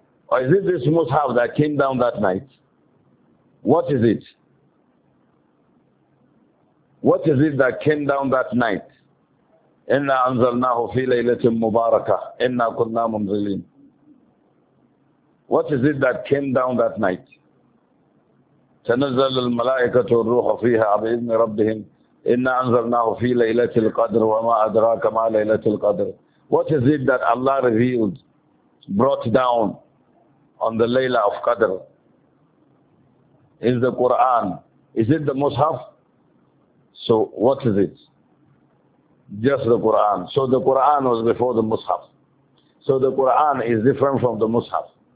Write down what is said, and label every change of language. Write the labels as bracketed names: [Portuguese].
[English] Or is it this mushaf that came down that night? What is it? What is it that came down that night? [Arabic] Inna anzalnahu fi laylatin mubarakah, inna kunna munzilin. [English] What is it that came down that night? [Arabic] تنزل الملائكة والروح فيها بإذن ربهم إنا أنزلناه في ليلة القدر وما أدراك ما ليلة القدر. [English] What is it that Allah revealed, brought down on the Layla of Qadr? Is the Quran? Is it the Mushaf? So what is it? Just the Quran. So the Quran was before the Mushaf. So the Quran is different from the Mushaf.